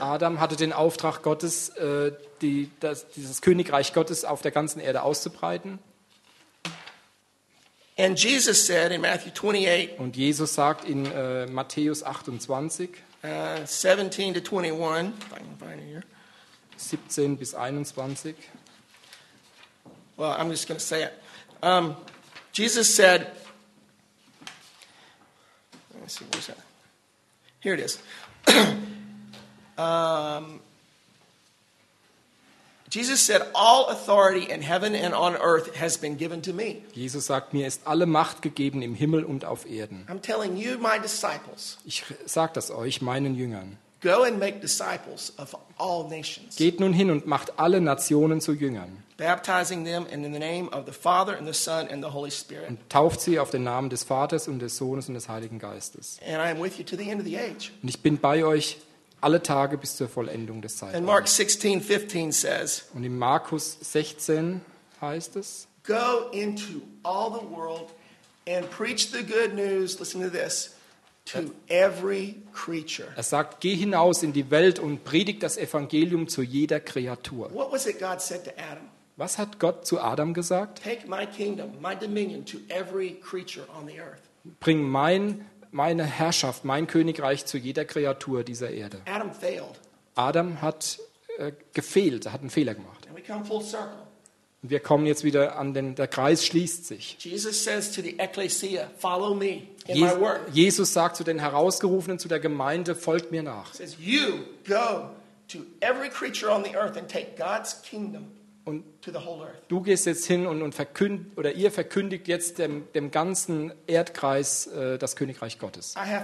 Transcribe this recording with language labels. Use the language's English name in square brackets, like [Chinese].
[German] Adam hatte den Auftrag Gottes, dieses Königreich Gottes auf der ganzen Erde auszubreiten. [English] And Jesus said in Matthew 28. [German] Und Jesus sagt in Matthäus 28. [English] 17 to 21. If I can find it here. [German] 17 bis 21. [English] Well, I'm just going to say it. Jesus said, let me see, where's that? Here it is. Jesus said, "All authority in heaven and on earth has been given to me." [German] Jesus sagt, mir ist alle Macht gegeben im Himmel und auf Erden. [English] I'm telling you, my disciples. [German] Ich sag das euch, meinen Jüngern. [English] Go and make disciples of all nations. [German] Geht nun hin und macht alle Nationen zu Jüngern. [English] Baptizing them in the name of the Father and the Son and the Holy Spirit. [German] Und tauft sie auf den Namen des Vaters und des Sohnes und des Heiligen Geistes. [English] And I am with you to the end of the age. [German] Und ich bin bei euch alle Tage bis zur Vollendung des Zeitalters. [English] And Mark 16:15 says. [German] Und in Markus 16 heißt es. [English] Go into all the world and preach the good news. Listen to this. To every creature. [German] Er sagt, geh hinaus in die Welt und predigt das Evangelium zu jeder Kreatur. [English] What was it God said to Adam? [German] Was hat Gott zu Adam gesagt? [English] Take my kingdom, my dominion to every creature on the earth. [German] Bring meine Herrschaft, mein Königreich zu jeder Kreatur dieser Erde. [English] Adam failed. [German] Adam hat gefehlt, hat einen Fehler gemacht. [English] And we come full circle. [German] Und wir kommen jetzt wieder an den, der Kreis schließt sich. [English] Jesus says to the ecclesia, follow me in my work. [German] Jesus sagt zu den Herausgerufenen, zu der Gemeinde, folgt mir nach. [English] He says, you go to every creature on the earth and take God's kingdom. [German] und du gehst jetzt hin und verkündigt, oder ihr verkündigt jetzt dem ganzen Erdkreis das Königreich Gottes.